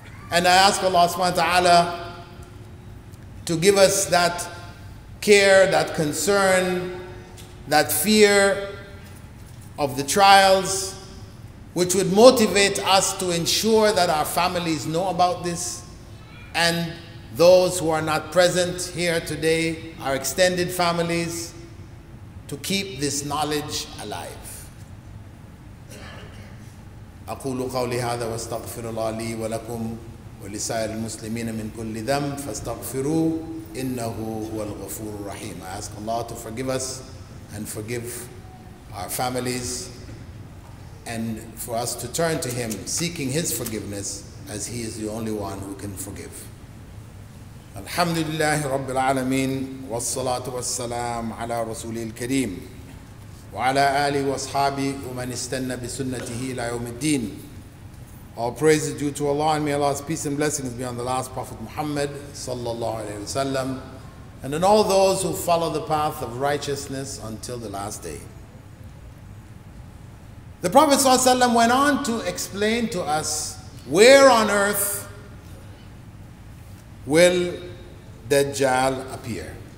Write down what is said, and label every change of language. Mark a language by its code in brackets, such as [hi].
[en] And I ask Allah subhanahu wa ta'ala to give us that care, that concern, that fear of the trials, which would motivate us to ensure that our families know about this, and those who are not present here today, our extended families, to keep this knowledge alive. [ar] أقول قولي هذا واستغفر الله لي ولكم ولسائر المسلمين من كل ذنب فاستغفروا إنه هو الغفور الرحيم. [en] I ask Allah to forgive us and forgive our families, and for us to turn to Him, seeking His forgiveness, as He is the only one who can forgive. [ar] الحمد لله رب العالمين والصلاة والسلام على رسول الكريم وعلى آله وصحابه ومن استنى بسنته إلى يوم الدين. [en] All praise is due to Allah, and may Allah's peace and blessings be on the last Prophet Muhammad sallallahu alaihi wasallam, and on all those who follow the path of righteousness until the last day. The Prophet ﷺ went on to explain to us where on earth will Dajjal appear.